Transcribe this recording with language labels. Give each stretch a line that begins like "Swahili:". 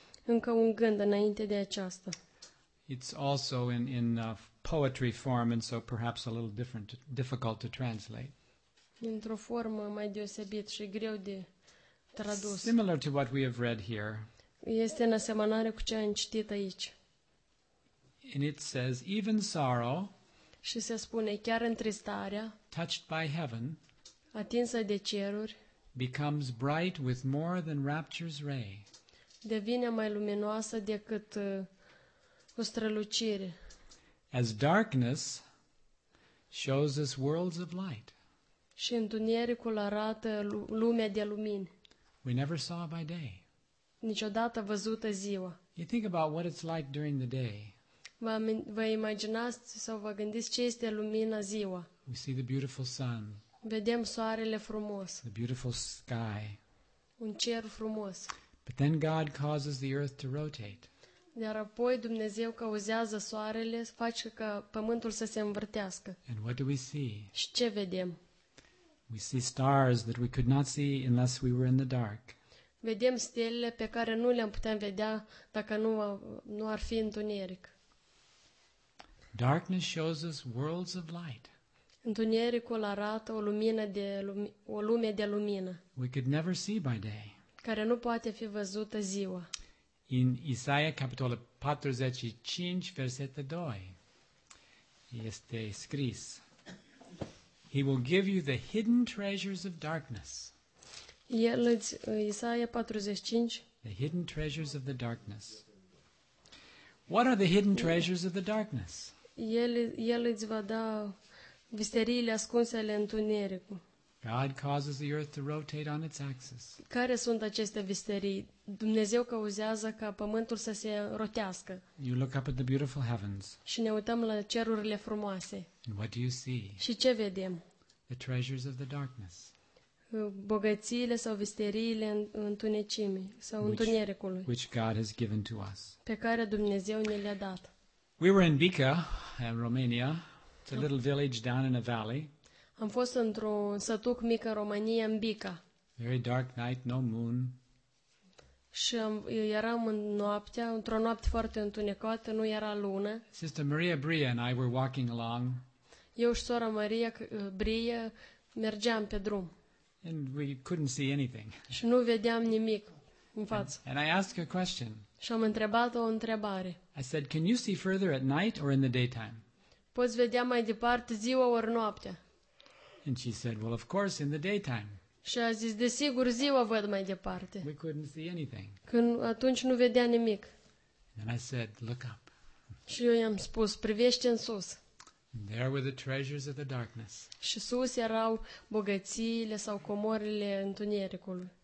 Romanian: Încă un gând înainte de aceasta.
English: It's also in poetry form and so perhaps a little different, difficult to translate.
Romanian: Într-o formă mai deosebit și greu de tradus.
English: Similar to what we have read here.
Romanian: Este în asemănare cu ce am citit aici.
English: And it says, even sorrow,
Romanian: și se spune, chiar întristarea,
English: touched by heaven,
Romanian: atinsă de ceruri,
English: becomes bright with more than rapture's ray.
Romanian: Devine mai luminoasă decât o strălucire.
English: As darkness shows us worlds of light.
Romanian: Și întunericul arată lumea de lumini.
English: We never saw by day.
Romanian: Niciodată văzută ziua.
English: You think about what it's like during the day.
Romanian: Vă imaginați sau vă gândiți ce este lumina ziua.
English: We see the beautiful sun.
Romanian: Vedem soarele frumos.
English: The beautiful sky.
Romanian: Un cer frumos.
English: But then God causes the earth to rotate.
Romanian: Dar apoi Dumnezeu cauzează soarele, face ca pământul să se învârtească.
English: And what do we see?
Romanian: Și ce vedem?
English: We see stars that we could not see unless we were in the dark.
Romanian: Vedem stelele pe care nu le-am putea vedea dacă nu ar fi întuneric.
English: Darkness shows us worlds of light.
Romanian: Întunericul arată o lumină de o lume de lumină.
English: We could never see by day.
Romanian: Care nu poate fi văzută ziua. In Isaia capitolul 45 versetul 2. Este scris.
English: He will give you the hidden treasures of darkness.
Romanian: Isaia 45.
English: The hidden treasures of the darkness. What are the hidden treasures of the darkness?
Romanian: El îți va da misteriile ascunse ale întunericului.
English: God causes the earth to rotate on its axis.
Romanian: Care sunt aceste misterii? Dumnezeu cauzează ca pământul să se rotească.
English: You look up at the beautiful heavens.
Romanian: Și ne uităm la cerurile frumoase.
English: And what do you see?
Romanian: Și ce vedem?
English: The treasures of the darkness.
Romanian: Bogățiile sau misteriile întunecimii sau întunericului.
English: Which God has given to us.
Romanian: Pe care Dumnezeu ne le-a dat.
English: We were in Bica, in Romania. It's a little village down in a valley.
Romanian: Am fost într-un sătuc mic în România, în Bica.
English: Very dark night, no moon.
Romanian: Și eram în noaptea, într-o noapte foarte întunecată, nu era lună.
English: Sister Maria Bria and I were walking along.
Romanian: Eu și sora Maria Bria mergeam pe drum.
English: And we couldn't see anything.
Romanian: Și nu vedeam nimic în față.
English: And I asked her a question.
Romanian: Și am întrebat-o o întrebare.
English: I said, "Can you see further at night or in the daytime?"
Romanian: Poți vedea mai departe ziua ori noaptea?
English: And she said, "Well, of course, in the daytime."
Romanian: Și a zis, desigur, ziua văd mai departe.
English: We couldn't see anything.
Romanian: Când atunci nu vedea nimic.
English: And I said, "Look up."
Romanian: Și eu i-am spus, privește în sus.
English: And there were the treasures of the darkness.
Romanian: Și sus erau bogățiile sau comorile întunericului.